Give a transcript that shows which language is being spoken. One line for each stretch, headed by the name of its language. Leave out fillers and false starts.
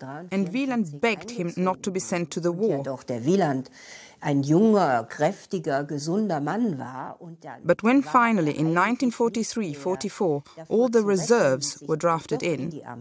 English: And Wieland begged him not to be sent to the war.
German: Doch der Wieland ein junger, kräftiger, gesunder Mann war.
English: But when finally in 1943-44 all the reserves were drafted in,